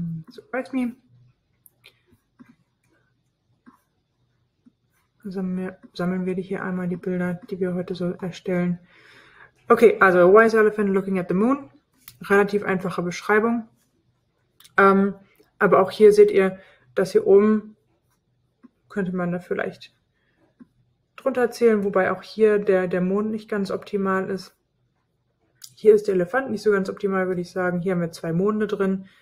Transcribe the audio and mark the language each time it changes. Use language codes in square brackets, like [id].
[en] Surprise me. [de] Sammeln wir hier einmal die Bilder, die wir heute so erstellen. [en] Okay, also a wise elephant looking at the moon. [de] Relativ einfache Beschreibung. Aber auch hier seht ihr, dass hier oben könnte man da vielleicht drunter zählen, wobei auch hier der Mond nicht ganz optimal ist. Hier ist der Elefant nicht so ganz optimal, würde ich sagen. Hier haben wir zwei Monde drin.